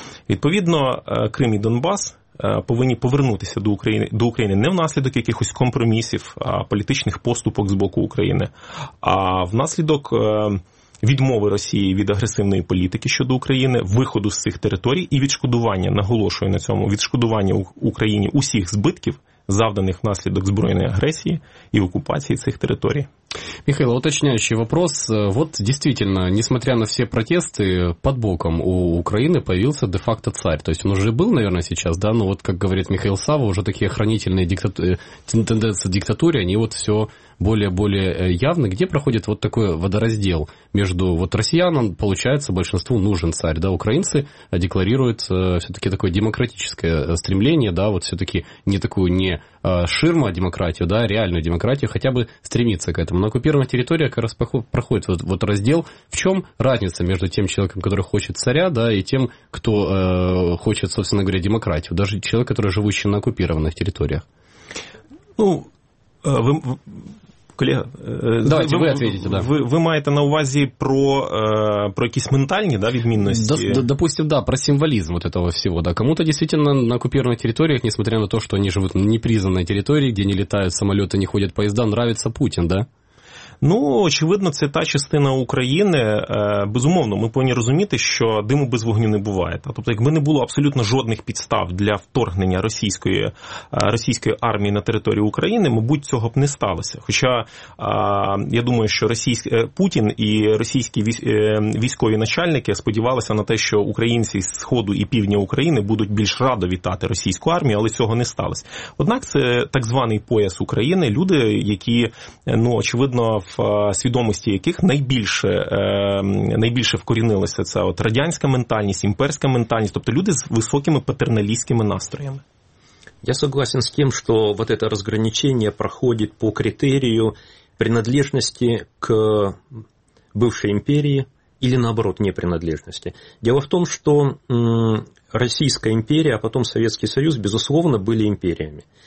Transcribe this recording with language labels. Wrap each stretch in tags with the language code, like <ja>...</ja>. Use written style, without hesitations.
<uk>Відповідно, Крим і Донбас повинні повернутися до України не внаслідок якихось компромісів, політичних поступок з боку України, а внаслідок відмови Росії від агресивної політики щодо України, виходу з цих територій і відшкодування, наголошую на цьому, відшкодування Україні усіх збитків, завданих внаслідок збройної агресії</uk> <ru>и оккупации этих территорий. Михаил, уточняющий вопрос. Вот действительно, несмотря на все протесты, под боком у Украины появился де-факто царь. То есть он уже был, наверное, сейчас, да? Но вот, как говорит Михаил Савва, уже такие охранительные тенденции диктатуры, они вот все более-более явны. Где проходит вот такой водораздел между вот россиянам, получается, большинству нужен царь, да? Украинцы декларируют все-таки такое демократическое стремление, да? Вот все-таки не такую не ширма демократию, да, реальную демократию, хотя бы стремиться к этому. На оккупированных территориях как раз проходит вот раздел. В чем разница между тем человеком, который хочет царя, да, и тем, кто хочет, собственно говоря, демократию? Даже человек, который живущий на оккупированных территориях. Ну, вы, коллега, давайте вы ответите, да.</ru> <uk>Вы маете на увазі про якісь ментальні, да, відмінності?</uk> <ru>Допустим, да, про символізм вот этого всего, да. Кому-то действительно на оккупированных территориях, несмотря на то, что они живут на непризнанной территории, где не летают самолеты, не ходят поезда, нравится Путин, да?</ru> <uk>Ну, очевидно, це та частина України, безумовно, ми повинні розуміти, що диму без вогню не буває. Тобто, якби не було абсолютно жодних підстав для вторгнення російської армії на територію України, мабуть, цього б не сталося. Хоча, я думаю, що Путін і російські військові начальники сподівалися на те, що українці з Сходу і Півдня України будуть більш радо вітати російську армію, але цього не сталося. Однак, це так званий пояс України, люди, які, ну, очевидно, в свідомості яких найбільше вкорінилася це от радянська ментальність, імперська ментальність, тобто люди з високими патерналістськими настроями.</uk> <ru>Я согласен</ru> <uk>з тим, що</uk> <ru>вот это разграничение проходит по критерию принадлежности к бывшей империи или наоборот непринадлежности. Дело в том, что Российская империя, а потом Советский Союз, безусловно, были империями.</ru>